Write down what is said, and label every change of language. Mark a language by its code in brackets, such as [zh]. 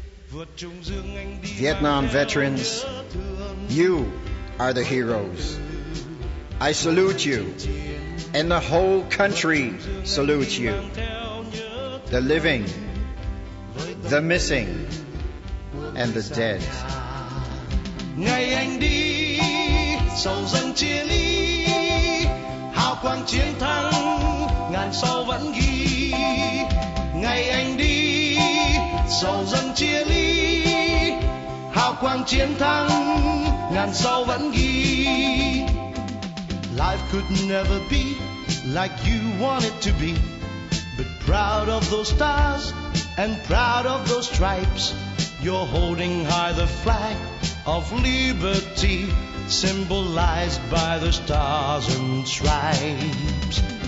[en] Vietnam veterans, you are the heroes. I salute you, and the whole country salutes you. The living, the missing, and the dead. [vi] Ngày anh đi, sầu dân chia ly, hào quang chiến thắng, ngàn sau vẫn ghi. Ngày anh đi, sầu dân chia ly, hào quang chiến thắng, ngàn sau vẫn ghi. [en] Life could never be like you want it to be, but proud of those stars and proud of those stripes, you're holding high the flag of liberty, symbolized by the stars and stripes.